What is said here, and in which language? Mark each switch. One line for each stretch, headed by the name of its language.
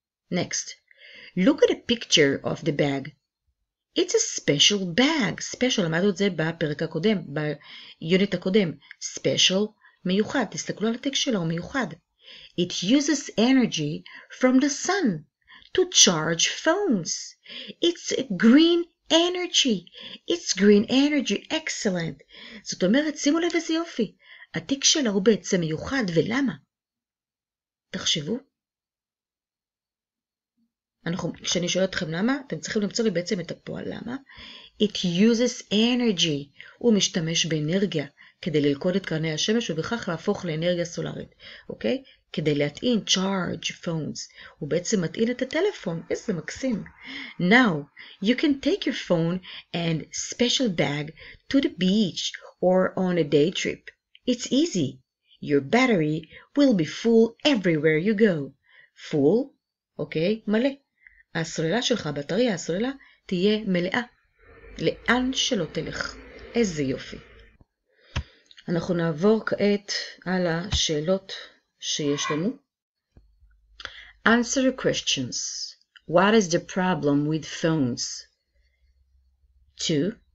English: Next, look at a picture of the bag. It's a special bag.
Hebrew: Special, למדנו את זה בפרק הקודם, ביונית הקודם. Special, מיוחד, תסתכלו על הטקסט שלו, מיוחד.
English: It uses energy from the sun to charge phones. It's green energy. It's green energy. Excellent.
Hebrew: זאת אומרת, שימו לב איזה יופי. התיק שלה הוא בעצם מיוחד, ולמה? תחשבו. כשאני שואל אתכם למה, אתם צריכים למצוא לי בעצם את הפועל למה.
English: It uses energy.
Hebrew: הוא משתמש באנרגיה כדי ללכוד את קרני השמש ובכך להפוך לאנרגיה סולרית. אוקיי? כדי להטעין
English: charge phones.
Hebrew: הוא בעצם מטעין את הטלפון. איזה מקסים.
English: Now, you can take your phone and special bag to the beach or on a day trip. It's easy. Your battery will be full everywhere you go.
Hebrew: Full? אוקיי, מלא. הסוללה שלך, הבטריה, הסוללה, תהיה מלאה. לאן שלא תלך. איזה יופי. אנחנו נעבור כעת על השאלות שיש לנו.
English: Answer your questions. What is the problem with phones? 2.